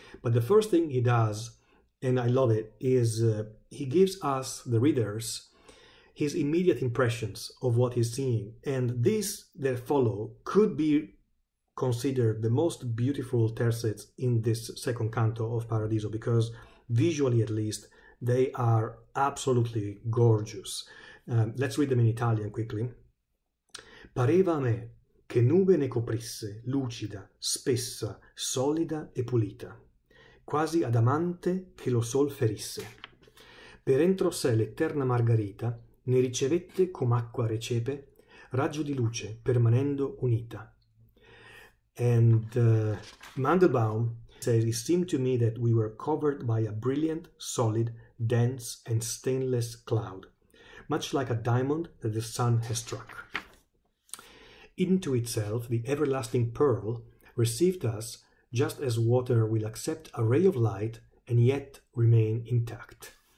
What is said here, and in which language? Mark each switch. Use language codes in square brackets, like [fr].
[en] But the first thing he does, and I love it, is he gives us, the readers, his immediate impressions of what he's seeing. And these that follow could be considered the most beautiful tercets in this second canto of Paradiso, because visually at least they are absolutely gorgeous. Let's read them in Italian quickly. [it] Pareva a me che nube ne coprisse, lucida, spessa, solida e pulita, quasi adamante che lo sol ferisse. Per entro sé l'eterna margarita ne ricevette com'acqua recepe raggio di luce permanendo unita. [en] And Mandelbaum says, it seemed to me that we were covered by a brilliant, solid, dense, and stainless cloud, much like a diamond that the sun has struck. Into itself, the everlasting pearl received us just as water will accept a ray of light and yet remain intact.